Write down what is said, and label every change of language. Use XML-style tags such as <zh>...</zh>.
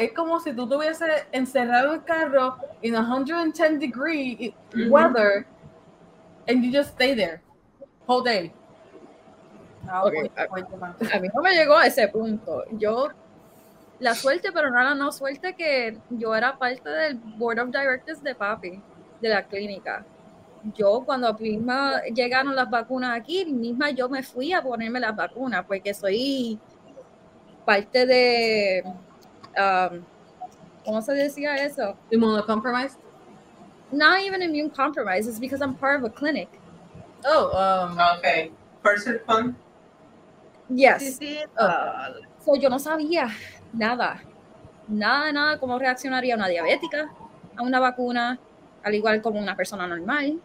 <es>Es como si tú tuvieses encerrado el carro in 110 degree mm-hmm.</es> <en>weather, and you just stay there whole day.</en> <es>Okay. A mí no me llegó a ese punto. Yo, la suerte, pero no la no suerte, que yo era parte del board of directors de papi, de la clínica. Yo, cuando misma llegaron las vacunas aquí, misma yo me fui a ponerme las vacunas, porque soy parte de, ¿cómo se decía eso?</es> <en>Immunocompromised? Not even immune compromised, it's because I'm part of a clinic. Oh, okay. Person fund? Yes.</en> <es>Sí, yo no sabía nada, cómo reaccionaría una diabética a una vacuna, al igual como una persona normal.</es>